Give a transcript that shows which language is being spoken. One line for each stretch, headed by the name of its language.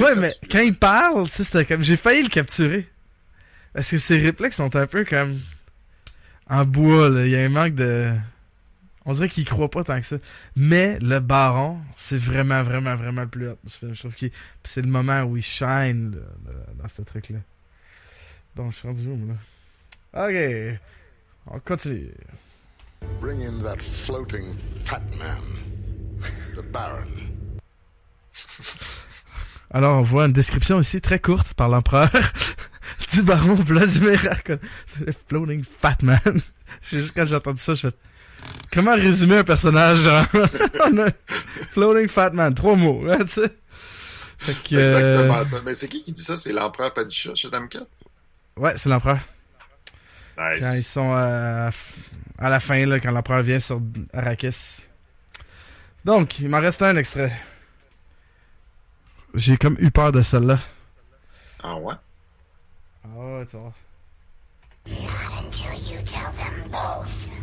French: Ouais, mais quand il parle, tu sais, c'était comme j'ai failli le capturer. Parce que ses réflexes sont un peu comme en bois, là. Il y a un manque de... On dirait qu'il croit pas tant que ça. Mais le baron, c'est vraiment, vraiment, vraiment le plus hot du film. Je trouve que c'est le moment où il shine là, dans ce truc-là. Bon, je suis rendu zoom, là. OK. On continue.
English: Bring in that floating fat man. The baron.
French: Alors, on voit une description ici très courte par l'empereur. Du baron Vladimir Harkonnen. C'est
English: floating fat man.
French: Juste quand j'ai entendu ça, je fais... Comment résumer un personnage, genre?
English: Floating fat man.
French: Trois mots, hein, tu sais. C'est exactement ça. Mais c'est qui dit ça? C'est l'empereur Padishah, chez Dame 4? Ouais, c'est l'empereur. Nice. Quand ils sont à la fin, là, quand l'empereur vient sur Arrakis. Donc, il m'en reste un extrait. J'ai comme eu peur de celle-là. Ah ouais? Ah ouais, tu vois.
English: Not until you tell them both